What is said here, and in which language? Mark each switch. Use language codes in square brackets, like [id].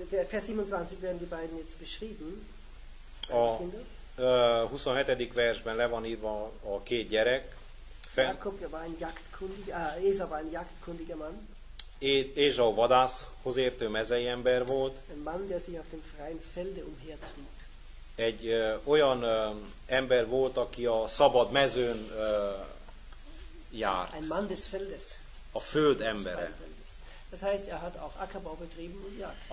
[de] Vers 27 werden die beiden jetzt beschrieben. [hu] A 27. versben le van írva a két gyerek. [de] Jakob war ein jagdkundiger, Esau war ein jagdkundiger Mann. [hu] Esau vadászhoz értő mezei ember volt. [de] Ein Mann, der sich auf dem freien Felde umhertrieb. [hu] Egy olyan ember volt, aki a szabad mezőn járt. [de] Ein Mann des Feldes. [hu] A föld embere. [de] Das heißt, er hat auch Ackerbau betrieben und jagt.